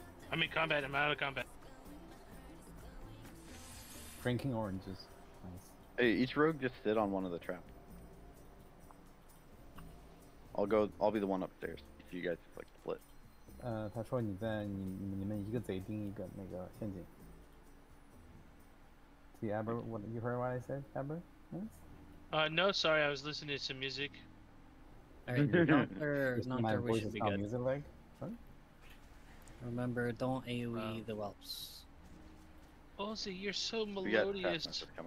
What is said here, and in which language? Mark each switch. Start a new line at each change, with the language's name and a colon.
English: I'm in combat, I'm out of combat. Drinking oranges. Nice. Hey, each rogue just sit on one of the traps. I'll be the one upstairs, if you guys like split.
Chinese: 他说你在你们一个贼盯一个那个陷阱。
English: See, Aber, what you heard what I said, Aber? Yes? No, sorry, I was listening to some music. Alright, not there, we should be good. Like? Remember, don't AoE the whelps. Ozzy, you're so melodious.